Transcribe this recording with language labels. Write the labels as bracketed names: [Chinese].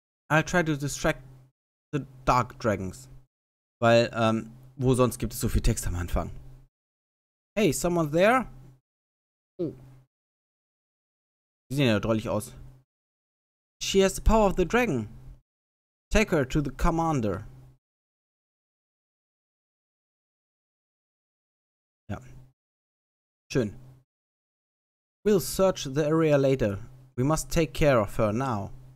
[English] I'll try to distract the dark dragons. [German] Weil, wo sonst gibt es so viel Text am Anfang? [English] Hey, someone there? Oh. [German] Sie sehen ja drollig aus. [English] She has the power of the dragon. Take her to the commander. [German] Ja. Schön. [English] We'll search the area later. We must take care of her now.